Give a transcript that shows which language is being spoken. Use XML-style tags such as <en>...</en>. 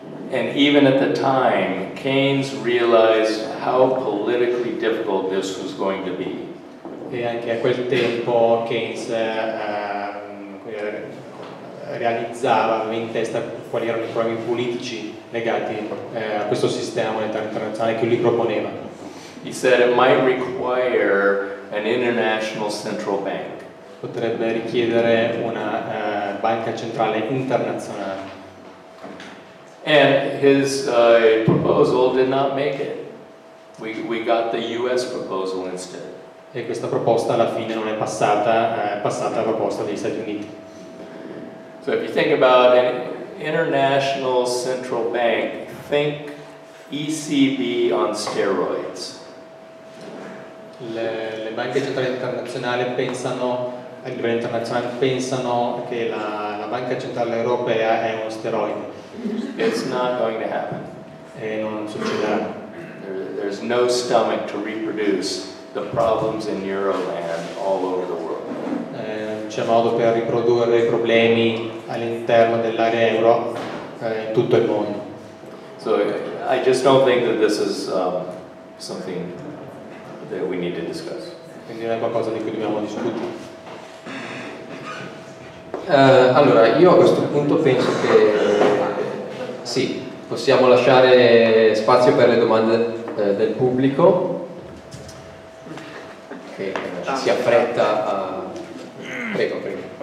<en>And even at the time, Keynes realized how politically difficult this was going to be.</en> <it>E anche a quel tempo Keynes realizzava, aveva in testa quali erano i problemi politici legati a questo sistema monetario internazionale che lui proponeva.</it> <en>He said it might require an international central bank.</en> <it>Potrebbe richiedere una banca centrale internazionale.</it> <en>And his proposal did not make it. We got the US proposal instead.</en> <it>E questa proposta alla fine non è passata, è passata la proposta degli Stati Uniti.</it> <en>So if you think about an international central bank, think ECB on steroids.</en> <it>Le banche centrali internazionali pensano, a livello internazionale, pensano che la banca centrale europea è uno steroide.</it> <en>It's not going to happen.</en> <it>E non succederà.</it> <en>There's no stomach to reproduce the problems in Euroland all over the world.</en> <it>C'è modo per riprodurre i problemi all'interno dell'area euro in tutto il mondo.</it> <en>So I just don't think that this is something that we need to discuss.</en> <it>Quindi è qualcosa di cui dobbiamo discutere. Allora, io a questo punto penso che sì, possiamo lasciare spazio per le domande del pubblico, che si affretta a... Prego, prego.</it>